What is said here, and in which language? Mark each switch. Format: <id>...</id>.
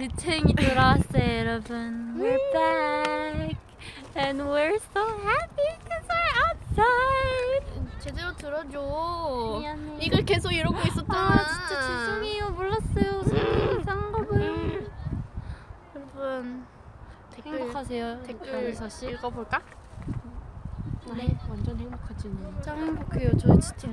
<ko>빅챙이 돌아왔어요 여러분.</ko> <en>We're back. And we're so happy because we're outside.</en> <ko>제대로 들어줘. 미안해. 이걸 계속 이러고 있었잖아. 아 진짜 죄송해요. 몰랐어요. 이상한가봐요. 여러분 댓글, 행복하세요. 댓글 강미서씨 읽어볼까? 네. 완전 행복하지. 진짜 행복해요. 저 진짜 대박이야.</ko>